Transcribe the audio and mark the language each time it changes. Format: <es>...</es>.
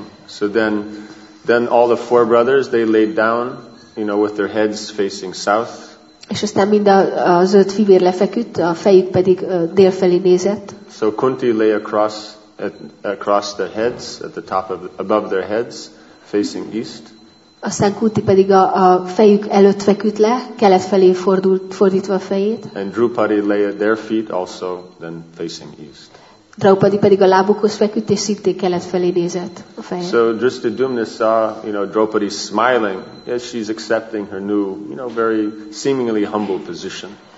<en>So then all the four brothers, they laid down, you know, with their heads facing south.</en> <hu>És aztán mind az öt fivér lefeküdt, a fejük pedig délfelé nézett.</hu> <en>So Kunti lay across their heads, at the top of, above their heads, facing east.</en> <hu>Aztán Kunti pedig a fejük előtt feküdt le, kelet felé fordítva a fejét.</hu> <en>And Draupadi lay at their feet also, then facing east.</en> <hu>Draupadi pedig a lábukhoz feküdt, és szintén kelet felé nézett a fején.</hu> <en>So Dhrishtadyumna saw, you know, Draupadi smiling as she's accepting her new, you know, very seemingly humble position.</en>